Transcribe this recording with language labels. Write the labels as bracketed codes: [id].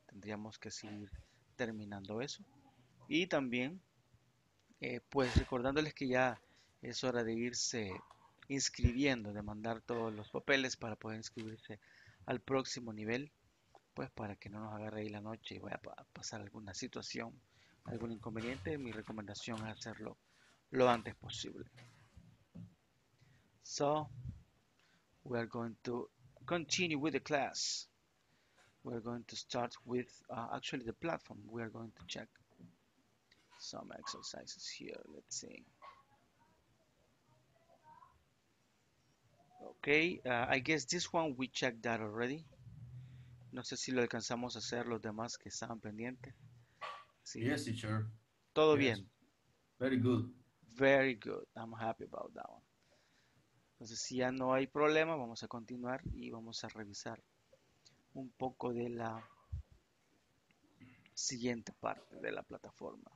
[es] Tendríamos que seguir terminando eso. Y también, pues recordándoles que ya es hora de irse inscribiendo, de mandar todos los papeles para poder inscribirse al próximo nivel, pues para que no nos agarre ahí la noche y vaya a pasar alguna situación, algún inconveniente. Mi recomendación es hacerlo lo antes posible. [en] So, we are going to continue with the class. We are going to start with actually the platform. We are going to check some exercises here. Let's see. Okay, I guess this one we checked that already. [es] No sé si lo alcanzamos a hacer los demás que estaban pendientes. Sí. [en] Yes, teacher. [es] Todo [en] Yes. [es] bien. [en] Very good. Very good. I'm happy about that one. [es] Entonces, si ya no hay problema, vamos a continuar y vamos a revisar un poco de la siguiente parte de la plataforma.